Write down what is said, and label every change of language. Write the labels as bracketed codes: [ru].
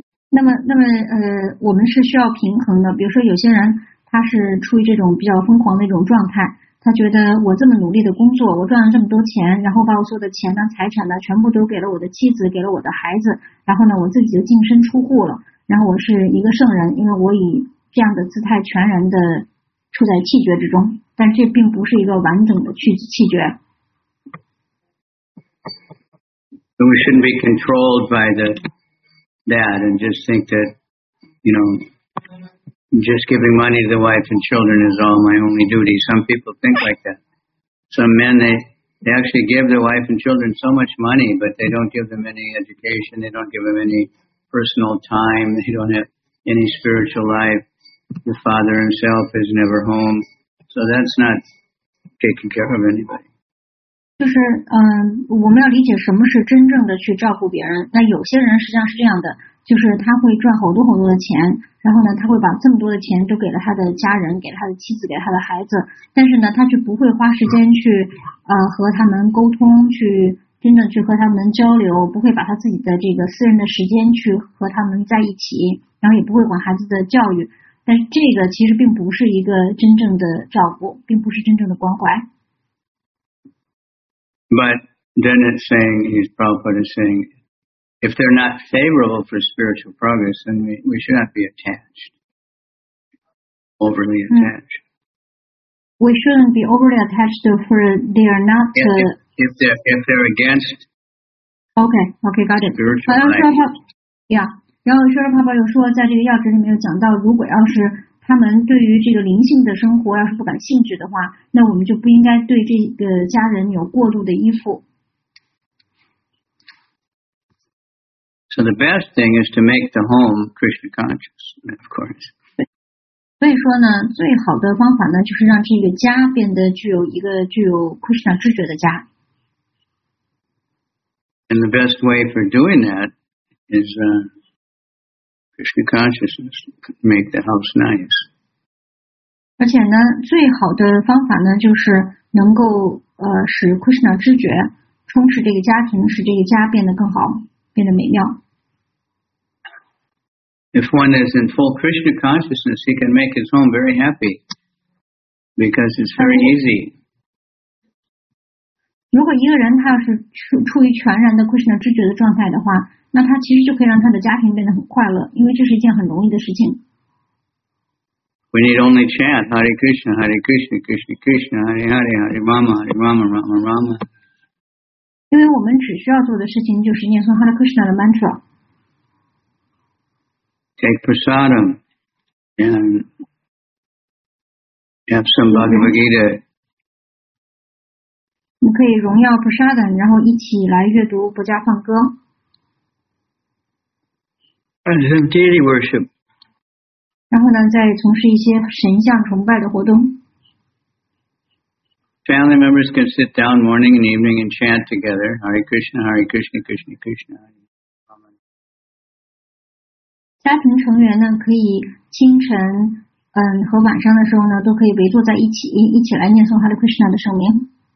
[zh] 那么，我们是需要平衡的。比如说，有些人他是处于这种比较疯狂的一种状态，他觉得我这么努力的工作，我赚了这么多钱，然后把我所有的钱呢、财产呢，全部都给了我的妻子，给了我的孩子，然后呢，我自己就净身出户了，然后我是一个圣人，因为我以这样的姿态全然的处在气绝之中，但这并不是一个完整的气绝。 [en] We shouldn't be controlled by that and just think that, you know, just giving money to the wife and children is all my only duty. Some people think like that. Some men, they actually give their wife and children so much money, but they don't give them any education, they don't give them any personal time, they don't have any spiritual life. The father himself is never home. So that's not taking care of anybody. [zh] 就是我们要理解什么是真正的去照顾别人。那有些人实际上是这样的，就是他会赚好多好多的钱，然后呢他会把这么多的钱都给了他的家人，给他的妻子，给他的孩子，但是呢他却不会花时间去和他们沟通，去真正去和他们交流，不会把他自己的这个私人的时间去和他们在一起，然后也不会管孩子的教育。但是这个其实并不是一个真正的照顾，并不是真正的关怀。 [en] But then it's saying, he's Prabhupada saying, if they're not favorable for spiritual progress, then we should not be attached, overly attached. We shouldn't be overly attached for they are not... If they're against... Okay, got it. Spiritual life. [zh] Yeah. 然后说了爸爸有说在这个要旨里面有讲到，如果要是他们对于这个灵性的生活要是不感兴趣的话，那我们就不应该对这个家人有过度的依附。 [en] So the best thing is to make the home Krishna conscious, of course. [zh] 所以说呢，最好的方法呢，就是让这个家变得具有一个具有 Krishna 知觉的家。 [en] And the best way for doing that is Krishna consciousness, make the house nice. [zh] 而且呢，最好的方法呢，就是能够使 Krishna 知觉充斥这个家庭，使这个家变得更好，变得美妙。 [en] If one is in full Krishna consciousness, he can make his home very happy because it's very easy. [zh] 如果一个人他要是处于全然的 Krishna 知觉的状态的话，那他其实就可以让他的家庭变得很快乐，因为这是一件很容易的事情。 [en] We need only chant Hare Krishna, Hare Krishna, Krishna Krishna, Hare Hare, Hare Rama, Hare Rama, Rama Rama. [zh] 因为我们只需要做的事情就是念诵 Hare Krishna 的 mantra. [en] Take prasadam and have some Bhagavad Gita. [zh] 你可以荣耀 prasadam, 然后一起来阅读不加放歌。 [en] And some deity worship. [zh] 然后呢，再从事一些神像崇拜的活动。 [en] Family members can sit down morning and evening and chant together. Hare Krishna, Hare Krishna, Krishna Krishna. [zh] 家庭成员呢，可以清晨，和晚上的时候呢，都可以围坐在一起，一起来念诵 Hare Krishna 的圣名。